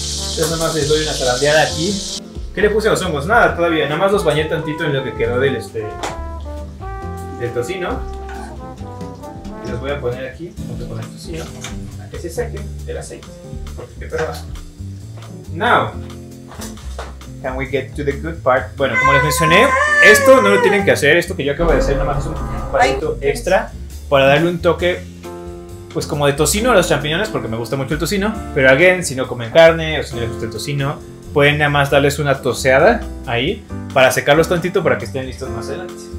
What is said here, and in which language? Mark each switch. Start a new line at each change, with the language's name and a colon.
Spanish: Entonces nada más les doy una zarandeada aquí. ¿Qué le puse a los hongos? Nada todavía, nada más los bañé tantito en lo que quedó del del tocino. Y los voy a poner aquí, junto con el tocino, a que se seque el aceite. Porque qué trabajo.
English: Now, can we get to the good part?
Spanish: Bueno, como les mencioné, esto no lo tienen que hacer, esto que yo acabo de hacer, nada más es un palito extra para darle un toque. Pues como de tocino a los champiñones, porque me gusta mucho el tocino. Pero again, si no comen carne o si no les gusta el tocino, pueden nada más darles una toseada ahí para secarlos tantito para que estén listos más adelante.